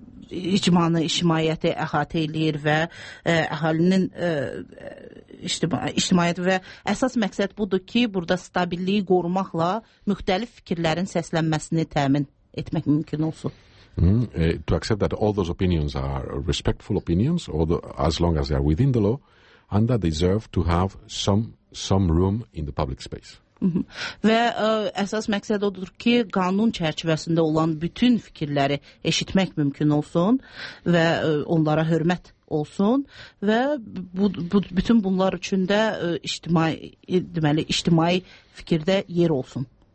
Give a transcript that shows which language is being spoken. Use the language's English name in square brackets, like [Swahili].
[Azerbaijani] icmanı, ictimaiyyəti əhatə eləyir və əhalinin ictimaiyyəti və əsas məqsəd budur ki, burada stabilliyi qorumaqla müxtəlif fikirlərin səslənməsini təmin etmək mümkün olsun. [English] To accept that all those opinions are respectful opinions, although as long as they are within the law, and that deserve to have some room in the public space. [Azerbaijani] Və əsas məqsəd odur ki, qanun çərçivəsində olan bütün fikirləri eşitmək mümkün olsun və onlara hörmət olsun və bütün bunlar üçün də ictimai fikirdə yer olsun.